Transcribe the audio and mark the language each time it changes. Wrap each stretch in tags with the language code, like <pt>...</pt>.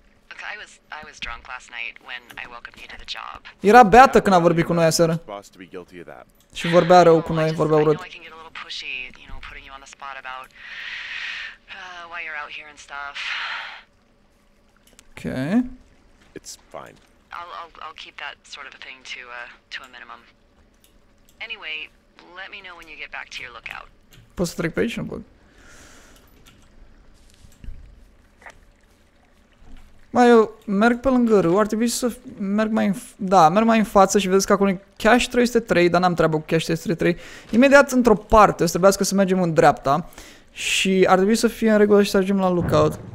<en>Look, I was drunk last night when I welcomed you to the job.</en> <ro>Era beată când a vorbit cu noi aseară. Și vorbea rău cu noi, vorbea urât.</ro> <en>I can get a little pushy, you know, putting you on the spot about why you're out here and stuff. Okay. It's fine. I'll keep that sort of a thing to a minimum. Anyway, let me know when you get back to your lookout.</en> <ro>Poți să trec pe aici, nu pot. Mai eu merg pe lângă râu, ar trebui să merg mai în, da, merg mai în față și vedeți că acolo e Cache 303, dar n-am treabă cu Cache 303. Imediat într-o parte, o să trebuiască să mergem în dreapta și ar trebui să fie în regulă și să ajungem la lookout.</ro>